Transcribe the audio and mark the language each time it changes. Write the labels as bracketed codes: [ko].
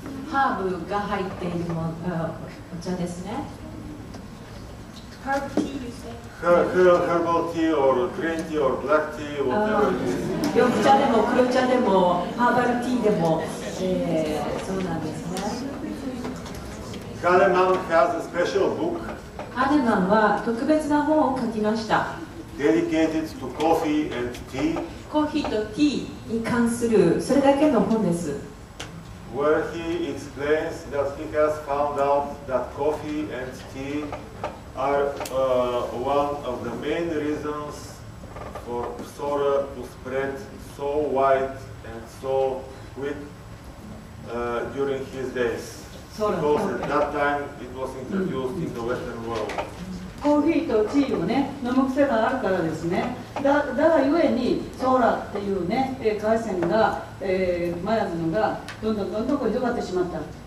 [ja] ハーブが入っているも、お茶ですね。 [en] ハーブティー、you say? ハーブティー、or green tea, or black tea, whatever it is. [ja] 緑茶でも黒茶でもハーバルティーでもそうなんですね。 [en] カネマン has a special book. [ja] カネマンは特別な本を書きました。 [en] Dedicated to coffee and tea. [ja] コーヒーとティーに関するそれだけの本です。 [en] Where he explains that he has found out that coffee and tea are one of the main reasons for psora to spread so wide and so quick. During his days, because at that time it was introduced in the Western world. [ja] コーヒーとティーをね飲む癖があるからですね。だゆえにソーラっていうね回線が、マヤズのがどんどん広がってしまった。